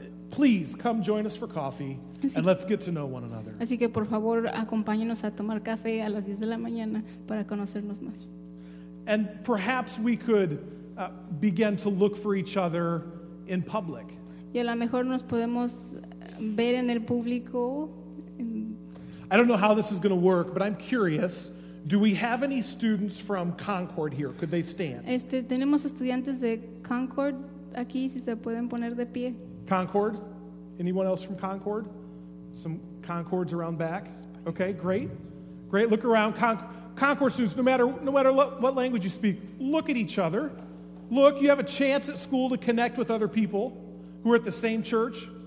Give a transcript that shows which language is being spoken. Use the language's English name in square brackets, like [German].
[English] Please come join us for coffee and let's get to know one another. [Spanish] Así que por favor acompáñenos a tomar café a las 10 de la mañana para conocernos más. [English] And perhaps we could begin to look for each other in public. [Spanish] Y a lo mejor nos podemos ver en el público. [English] I don't know how this is going to work, but I'm curious. Do we have any students from Concord here? Could they stand? [Spanish] Tenemos estudiantes de Concord aquí, si se pueden poner de pie. [English] Concord? Anyone else from Concord? Some Concords around back? Okay, great. Great, look around. Concord students, no matter what language you speak, look at each other. Look, you have a chance at school to connect with other people who are at the same church.